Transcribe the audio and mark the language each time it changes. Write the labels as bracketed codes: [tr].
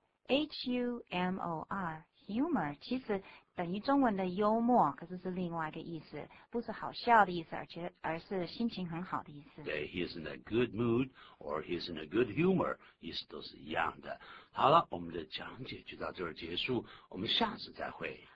[zh] H-U-M-O-R, humor 其实等于中文的幽默，可是是另外一个意思，不是好笑的意思，而是心情很好的意思。 [en] 对 ，he is in a good mood or he is in a good humor， [zh] 意思都是一样的。好了，我们的讲解就到这儿结束，我们下次再会。